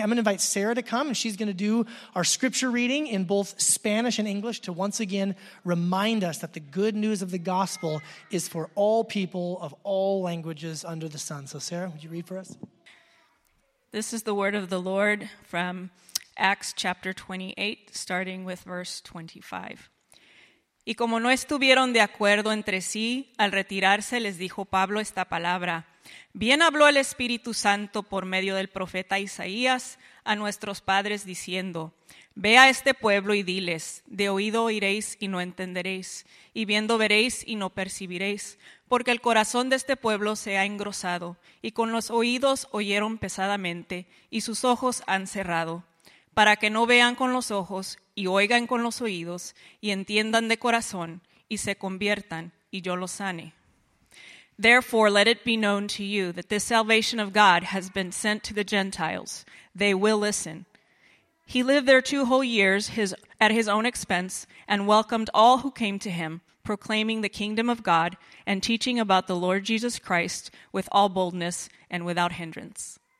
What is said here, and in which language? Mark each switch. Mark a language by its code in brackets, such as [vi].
[en] I'm going to invite Sarah to come, and she's going to do our scripture reading in both Spanish and English to once again remind us that the good news of the gospel is for all people of all languages under the sun. So Sarah, would you read for us? This is the word of the Lord from Acts chapter 28, starting with verse 25. [es] Y como no estuvieron de acuerdo entre sí, al retirarse les dijo Pablo esta palabra. Bien habló el Espíritu Santo por medio del profeta Isaías a nuestros padres diciendo, ve a este pueblo y diles, de oído oiréis y no entenderéis, y viendo veréis y no percibiréis, porque el corazón de este pueblo se ha engrosado, y con los oídos oyeron pesadamente, y sus ojos han cerrado, para que no vean con los ojos y oigan con los oídos y entiendan de corazón y se conviertan y yo los sane. [en] Therefore, let it be known to you that this salvation of God has been sent to the Gentiles. They will listen. He lived there 2 whole years at his own expense and welcomed all who came to him, proclaiming the kingdom of God and teaching about the Lord Jesus Christ with all boldness and without hindrance.